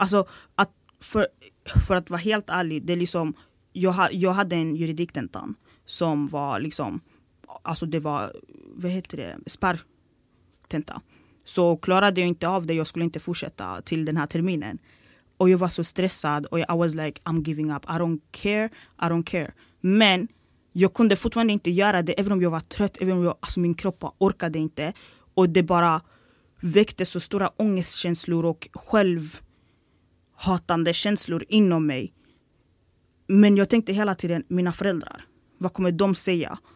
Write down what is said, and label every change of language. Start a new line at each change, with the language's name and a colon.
Swedish: Alltså att för att vara helt ärlig, det är liksom, jag hade en juridiktentan som var liksom, alltså det var, vad heter det? Spärrtenta. Så klarade jag inte av det, jag skulle inte fortsätta till den här terminen. Och jag var så stressad och
English: I was like, I'm giving up. I don't care.
Swedish: Men jag kunde fortfarande inte göra det, även om jag var trött, även om min kropp orkade inte. Och det bara väckte så stora ångestkänslor och självhatande känslor inom mig. Men jag tänkte hela tiden, mina föräldrar, vad kommer de säga?